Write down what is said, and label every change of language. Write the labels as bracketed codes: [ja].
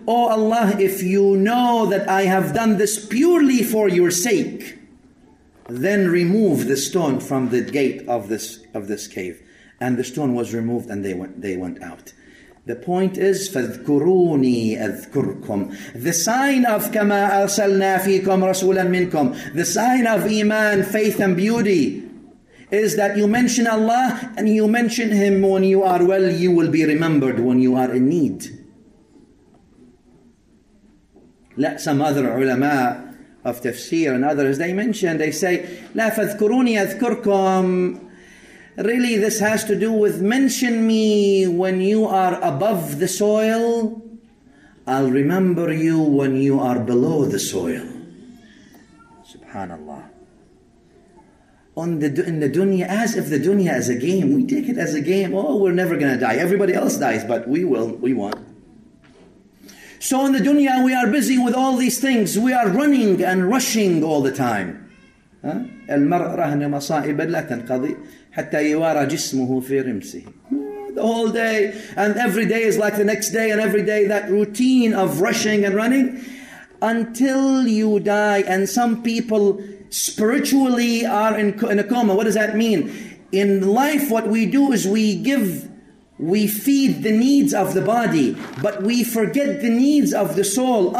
[en] Oh Allah, if you know that I have done this purely for your sake, then remove the stone from the gate of this cave. And the stone was removed and they went out. The point is, [ar] فَذْكُرُونِي أَذْكُرْكُمْ. [en] The sign of [ar] كَمَا أَرْسَلْنَا فِيكُمْ رَسُولًا مِنْكُمْ. [en] The sign of Iman, faith and beauty, is that you mention Allah and you mention Him when you are well, you will be remembered when you are in need. Let some other ulama of tafsir and others, they mention, they say, [ar] لَا فَذْكُرُونِي أَذْكُرْكُمْ. [en] Really, this has to do with mention me when you are above the soil. I'll remember you when you are below the soil. Subhanallah. In the dunya, as if the dunya is a game. We take it as a game. Oh, we're never going to die. Everybody else dies, but we will. We won't. So in the dunya, we are busy with all these things. We are running and rushing all the time. [ar] المرء رهن مصائب لا تنقضي حتى يوارى جسمه في رمسه. [en] The whole day, and every day is like the next day, and every day that routine of rushing and running until you die. And some people spiritually are in a coma. What does that mean? In life, what we do is we feed the needs of the body, but we forget the needs of the soul.